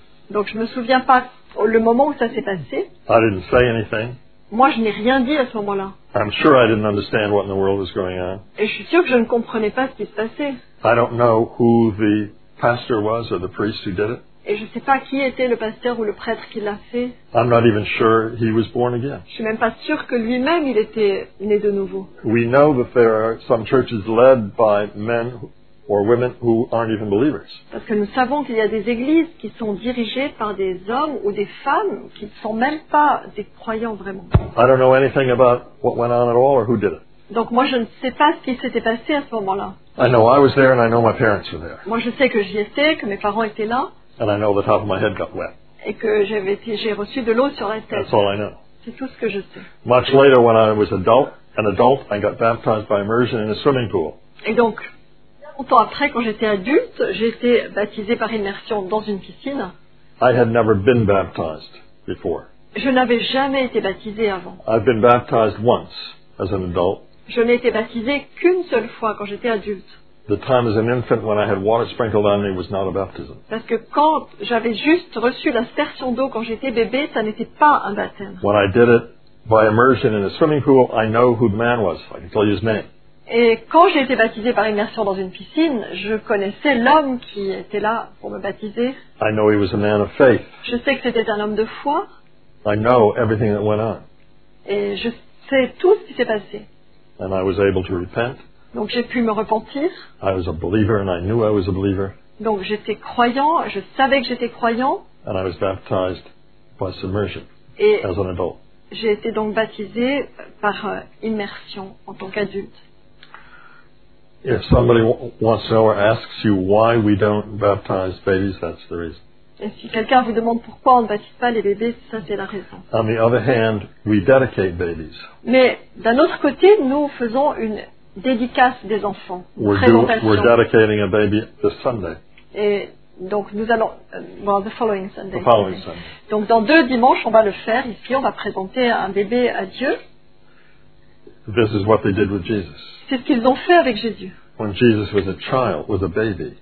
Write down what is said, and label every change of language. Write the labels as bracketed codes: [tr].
[fr] Donc je ne me souviens pas le moment où ça s'est passé. [en] I didn't say anything. [fr] Moi, je n'ai rien dit à ce moment-là. [en] I'm sure I didn't understand what in the world was going on. [fr] Et je suis sûre que je ne comprenais pas ce qui se passait. [en] I don't know who the pastor was or the priest who did it. [fr] Et je ne sais pas qui était le pasteur ou le prêtre qui l'a fait. [en] I'm not even sure he was born again. [fr] Je ne suis même pas sûre que lui-même, il était né de nouveau. [en] We know that there are some churches led by men or women who aren't even believers. [fr] Parce que nous savons qu'il y a des églises qui sont dirigées par des hommes ou des femmes qui ne sont même pas des croyants vraiment. [en] I don't know anything about what went on at all or who did it. [fr] Donc moi, je ne sais pas ce qui s'était passé à ce moment-là. [en] I know I was there and I know my parents were there. [fr] Moi, je sais que j'y étais, que mes parents étaient là. [en] And I know the top of my head got wet. [fr] Et que j'ai reçu de l'eau sur la tête. [en] That's all I know. [fr] C'est tout ce que je sais. [en] Much later, when I was an adult, I got baptized by immersion in a swimming pool. [fr] Et donc, longtemps après, quand j'étais adulte, j'ai été baptisé par immersion dans une piscine. [en] I had never been baptized before. [fr] Je n'avais jamais été baptisé avant. [en] I've been baptized once as an adult. [fr] Je n'ai été baptisé qu'une seule fois quand j'étais adulte. [en] the time as an infant when I had water sprinkled on me was not a baptism. [fr] Parce que quand j'avais juste reçu l'aspersion d'eau quand j'étais bébé, ça n'était pas un baptême. [en] When I did it by immersion in a swimming pool, I know who the man was. I can tell you his name. [fr] Et quand j'ai été baptisé par immersion dans une piscine, je connaissais l'homme qui était là pour me baptiser. [en] I know he was a man of faith. [fr] Je sais que c'était un homme de foi. [en] I know everything that went on. [fr] Et je sais tout ce qui s'est passé. [en] And I was able to repent. [fr] Donc j'ai pu me repentir. [en] I was a believer and I knew I was a believer. [fr] Donc j'étais croyant, je savais que j'étais croyant. [en] And I was baptized by submersion [fr] et [en] as an adult. [fr] J'ai été donc baptisé par immersion en tant qu'adulte. [en] If somebody wants to know or asks you why we don't baptize babies, that's the reason. [fr] Et si quelqu'un vous demande pourquoi on ne baptise pas les bébés, ça c'est la raison. [en] On the other hand, we dedicate babies. [fr] Mais d'un autre côté, nous faisons une dédicace des enfants. [en] We're dedicating a baby this Sunday. [fr] Et donc nous allons, [en] well, the following Sunday. The following Sunday. [fr] Donc dans deux dimanches, on va le faire. Ici, on va présenter un bébé à Dieu. [en] This is what they did with Jesus. [fr] C'est ce qu'ils ont fait avec Jésus. [en] When Jesus was a child, was a baby.